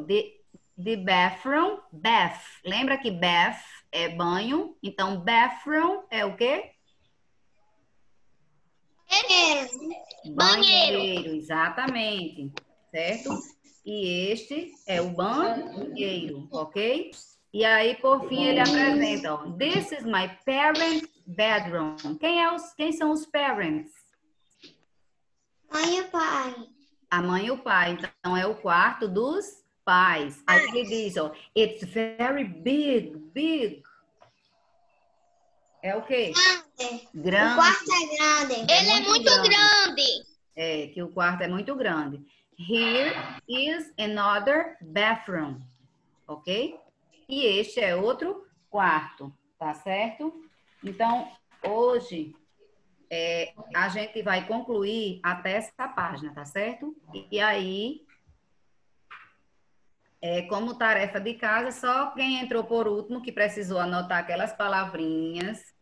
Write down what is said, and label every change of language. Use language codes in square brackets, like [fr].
[pt] The bathroom. Bath. Lembra que bath é banho. Então, bathroom é o quê? Banheiro. Exatamente. Certo? E este é o banheiro, ok? E aí, por fim, ele apresenta. [en] Ó, this is my parents' bedroom. [pt] Quem são os parents? Mãe e pai. A mãe e o pai. Então, é o quarto dos pais. Aí ele diz, ó, [en] it's very big, big. [pt] É o quê? Grande. O quarto é grande. Ele é muito grande. É, que o quarto é muito grande. [en] Here is another bathroom. [pt] Ok? E este é outro quarto. Tá certo? Então, hoje, a gente vai concluir até essa página, tá certo? E aí, como tarefa de casa, só quem entrou por último, que precisou anotar aquelas palavrinhas...